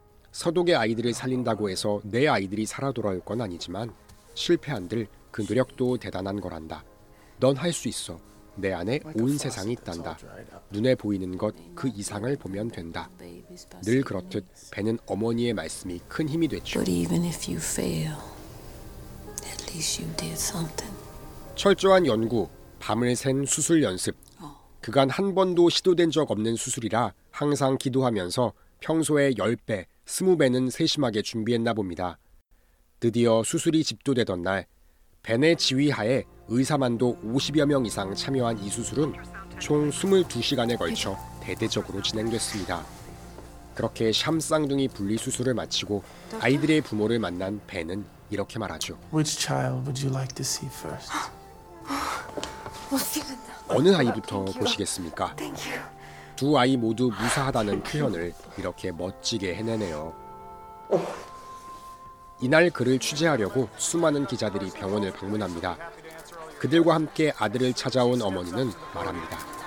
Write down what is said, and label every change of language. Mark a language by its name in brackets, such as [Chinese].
[Korean] 서독의 아이들을 살린다고 해서 내 아이들이 살아 돌아올 건 아니지만 실패한들 그 노력도 대단한 거란다. 넌 할 수 있어. 내 안에 온 세상이 있단다. 눈에 보이는 것 그 이상을 보면 된다. 늘 그렇듯 벤은 어머니의 말씀이 큰 힘이 됐죠. [English] But even if you fail, at least you did something. [Korean] 철저한 연구, 밤을 샌 수술 연습. 그간 한 번도 시도된 적 없는 수술이라 항상 기도하면서 평소에 10배, 20배는 세심하게 준비했나 봅니다. 드디어 수술이 집도되던 날, 벤의 지휘하에 의사만도 50여 명 이상 참여한 이 수술은 총 22시간에 걸쳐 대대적으로 진행됐습니다. 그렇게 샴쌍둥이 분리 수술을 마치고 아이들의 부모를 만난 벤은 이렇게 말하죠. [English] Which child would you like to see first? [Korean] 어느 아이부터 보시겠습니까? 두 아이 모두 무사하다는 표현을 이렇게 멋지게 해내네요. 이날 그를 취재하려고 수많은 기자들이 병원을 방문합니다. 그들과 함께 아들을 찾아온 어머니는 말합니다.